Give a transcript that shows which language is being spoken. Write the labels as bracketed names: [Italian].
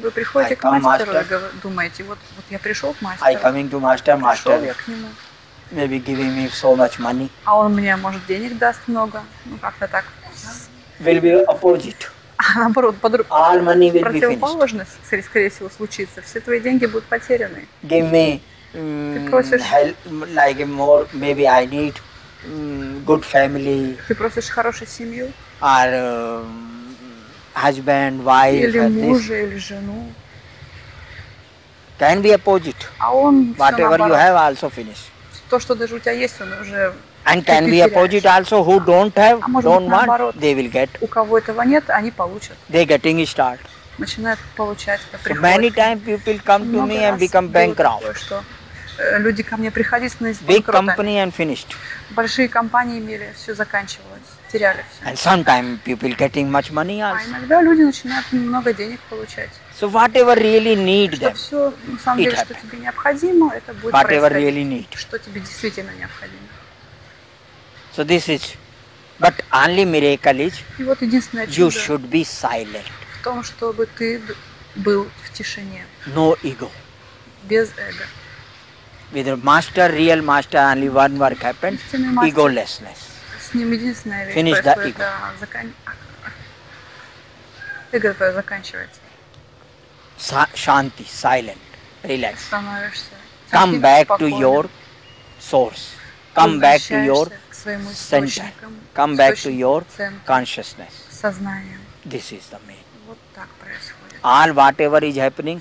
[Russian] Вы приходите к мастеру и думаете, вот я пришел к мастеру. [English] I coming to master, master. Maybe giving me so much money. [Russian] А он мне, может, денег даст много? Ну как-то так. [English] Will be opposite. [Russian] Наоборот, [English] all money will be finished. [Russian] Противоположность, скорее всего, случится. Все твои деньги будут потеряны. [English] Give me help, like more. Maybe I need good family. [Russian] Ты просишь хорошую семью? [English] Or husband, wife. [Russian] Или мужа, или жену. [English] Can be opposite. [Russian] А он [English] whatever you have also finish. [Russian] То, что даже у тебя есть, он уже. [English] And can be opposite also who don't have, don't want, they will get. [Russian] У кого этого нет, они получат. [English] They getting start. [Russian] Начинают получать. [English] So many times people come to me and become bankrupt. [Russian] Что люди ко мне приходили, становились банкротами. [English] Big company and finished. [Russian] Большие компании имели, все заканчивалось, теряли все. [English] And sometimes people getting much money also. [Russian] А иногда люди начинают много денег получать. [English] So whatever really need them. [Russian] Что все, на самом деле, что тебе необходимо, это будет [English] whatever [Russian] происходить. [English] Really need. [Russian] Что тебе действительно необходимо. [English] So this is, but only miracle is, [Russian] вот [English] you should be silent. [Russian] В том, чтобы ты был в тишине. [English] No ego. [Russian] Без эго. [English] With the master, real master, only one work happens, egolessness. [Russian] С ним единственное вещь. [English] Finish the ego. [Russian] Эго твое заканчивается. [English] Shanti, silent, relax. [Russian] Становишься. [English] Come back to your source. Come back to your center. Come back to your consciousness. [Russian] Сознанием. [English] This is the main. [Russian] Вот так происходит. [English] All whatever is happening